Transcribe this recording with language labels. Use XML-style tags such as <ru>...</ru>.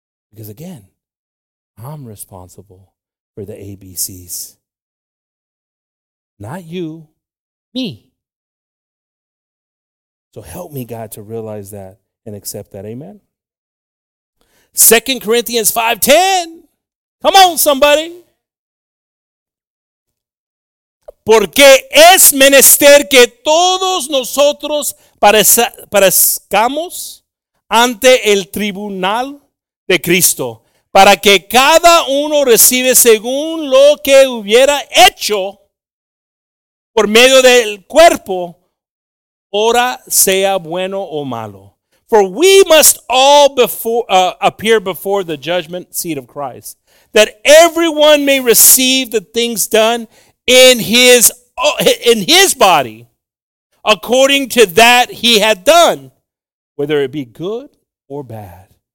<en>Because again, I'm responsible for the ABCs. Not you, me. So help me, God, to realize that and accept that. Amen. 2 Corinthians 5:10. Come on, somebody.</en> <es>Porque es menester que todos nosotros parezcamos ante el tribunal de Cristo, para que cada uno reciba según lo que hubiera hecho por medio del cuerpo, ora sea bueno o malo.</es> <en>For we must all appear before the judgment seat of Christ, that everyone may receive the things done in his body, according to that he had done, whether it be good or bad.</en>